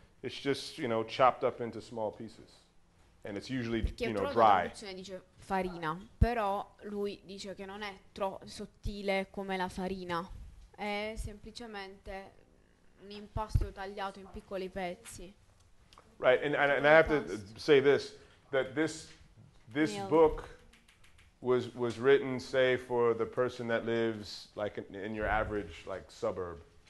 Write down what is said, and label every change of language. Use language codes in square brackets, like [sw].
[en] It's just, you know, chopped up into small pieces. And it's usually, [it] perché [en] you know, dry. [it] Dice farina, però lui dice che non è sottile come la farina. È semplicemente un impasto tagliato in piccoli pezzi. [en] Right, and I have to say this, that this book was written, say, for the person that lives like in your average like suburb.